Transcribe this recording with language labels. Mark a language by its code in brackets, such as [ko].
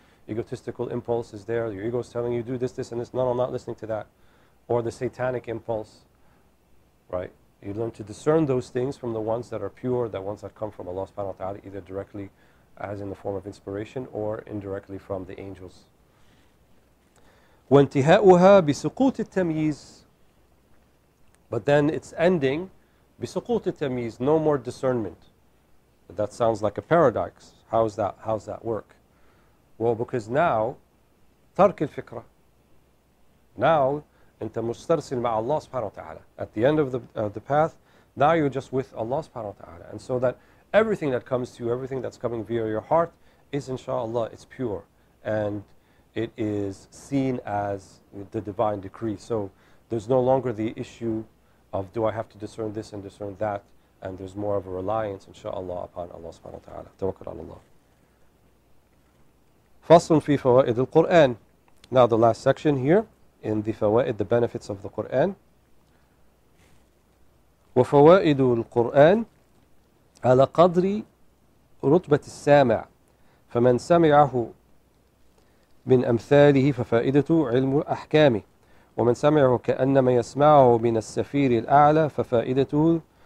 [en] egotistical impulse is there. Your ego is telling you, do this, this, and this. No, I'm not listening to that. Or the satanic impulse, right? You learn to discern those things from the ones that are pure, the ones that come from Allah [ar] subhanahu wa ta'ala, [en] either directly as in the form of inspiration or indirectly from the angels. [ar] وانتهاؤها بسقوط التمييز. [en] But then it's ending [ar] بسقوط التمييز, [en] no more discernment. But that sounds like a paradox. How's that work? Well, because now [ar] ترك الفكرة. [en] Now [ar] أنت مسترسل مع الله سبحانه وتعالى. [en] At the end of the path, now you're just with Allah [ar] سبحانه وتعالى. [en] And so that everything that comes to you, everything that's coming via your heart, is inshallah, it's pure. And it is seen as the divine decree. So there's no longer the issue of do I have to discern this and discern that. And there's more of a reliance, inshallah, upon Allah subhanahu wa ta'ala. [ar] Tawakkul ala Allah. Faslun fi fawaid al-Qur'an. [en] Now the last section here. In the fawaid, the benefits of the Qur'an. [ar] وَفَوَائِدُ الْقُرْآنِ عَلَى قَدْرِ رُتْبَةِ السَّامِعِ فَمَنْ سَمِعَهُ مِنْ أَمْثَالِهِ فَفَائِدَتُهُ عِلْمُ الْأَحْكَامِ وَمَنْ سَمِعَهُ كَأَنَّمَا يَسْمَعُهُ مِنَ السَّفِيرِ الْأَعْلَى فَفَائِدَتُهُ